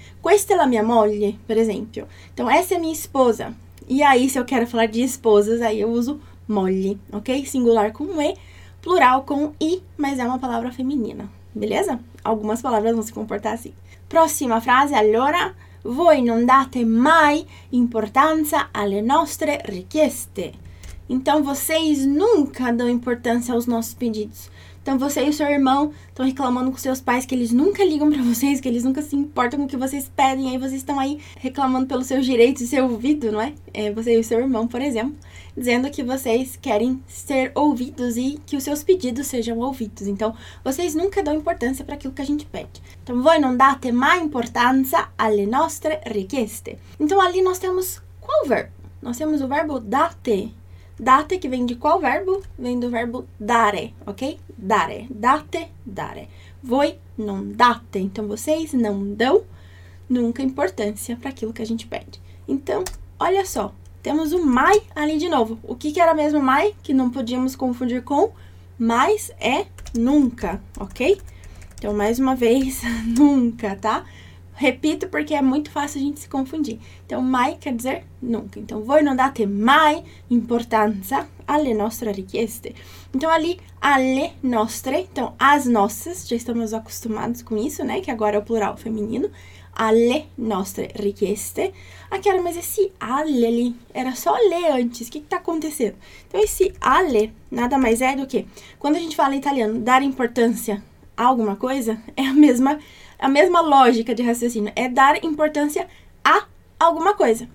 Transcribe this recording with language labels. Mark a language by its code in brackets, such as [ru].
[it] Questa è la mia moglie, por exemplo. [pt] Então, essa é minha esposa. E aí, se eu quero falar de esposas, aí eu uso molle, ok? Singular com e, plural com i, mas é uma palavra feminina, beleza? Algumas palavras vão se comportar assim. Próxima frase, allora. [it] Voi non date mai importanza alle nostre richieste. [pt] Então, vocês nunca dão importância aos nossos pedidos. Então, você e seu irmão estão reclamando com seus pais que eles nunca ligam para vocês, que eles nunca se importam com o que vocês pedem. Aí, vocês estão aí reclamando pelos seus direitos de ser ouvido, não é? É você e seu irmão, por exemplo, dizendo que vocês querem ser ouvidos e que os seus pedidos sejam ouvidos. Então, vocês nunca dão importância para aquilo que a gente pede. [it] Então, voi non date mai importanza alle nostre richieste. [pt] Então, ali nós temos qual verbo? Nós temos o verbo date. Date, que vem de qual verbo? Vem do verbo dare, ok? Dare, date, dare. [it] Voi non date. [pt] Então, vocês não dão nunca importância para aquilo que a gente pede. Então, olha só. Temos o mai ali de novo. O que, que era mesmo mai? Que não podíamos confundir com mais é nunca, ok? Então, mais uma vez, nunca, tá? Repito porque é muito fácil a gente se confundir. Então, mai quer dizer nunca. [it] Então, voi non date mai importanza alle nostre richieste. [pt] Então, ali, alle nostre, então, as nossas, já estamos acostumados com isso, né? Que agora é o plural feminino. Alle nostre richieste. Ah, Chiara, mas esse alle ali era só le antes. O que está acontecendo? Então, esse alle nada mais é do que, quando a gente fala em italiano, dar importância a alguma coisa, é a mesma lógica de raciocínio, é dar importância a alguma coisa.